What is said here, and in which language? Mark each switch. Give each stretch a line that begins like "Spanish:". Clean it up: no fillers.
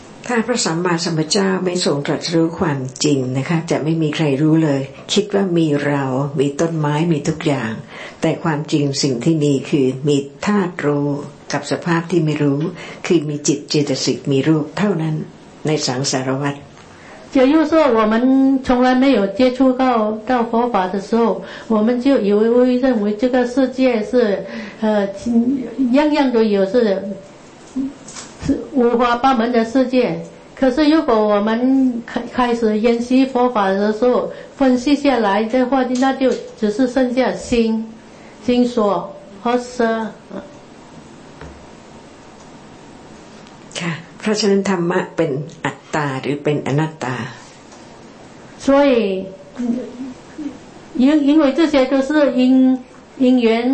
Thai: ถ้าพระสัมมาสัมพุทธเจ้าไม่ทรงตรัสรู้ความจริงนะคะจะไม่มีใครรู้เลยคิดว่ามีเรามีต้นไม้มีทุกอย่างแต่ความจริงสิ่งที่มีคือมีธาตุรู้กับสภาพที่ไม่รู้คือมีจิตเจตสิกมีรูปเท่านั้นในสังสารวัฏ
Chinese: 也就是说我们从来没有接触到佛法的时候我们就以为认为这个世界是样样都有是五花八门的世界，可是如果我们开始研习佛法的时候，分析下来的话，那就只是剩下心、心所和舌。
Thai: ค่ะ，เพราะฉะนั้นธรรมะเป็นอัตตาหรือเป็นอนัตตา。
Chinese: 所以，因为这些都是因缘。